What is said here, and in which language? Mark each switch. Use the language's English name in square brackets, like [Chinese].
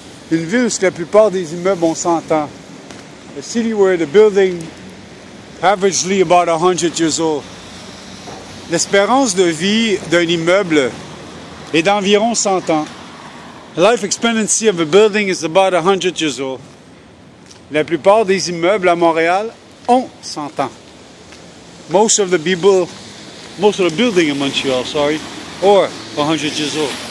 [French] Une ville où la plupart des immeubles, on s'entend. [English] A city where the building averagely about 100 years old. [French] L'espérance de vie d'un immeuble est d'environ 100 ans. [English] Life expectancy of a building is about 100 years old. [French] La plupart des immeubles à Montréal ont 100 ans. [English] Most of the buildings in Montreal, sorry, or 100 years old.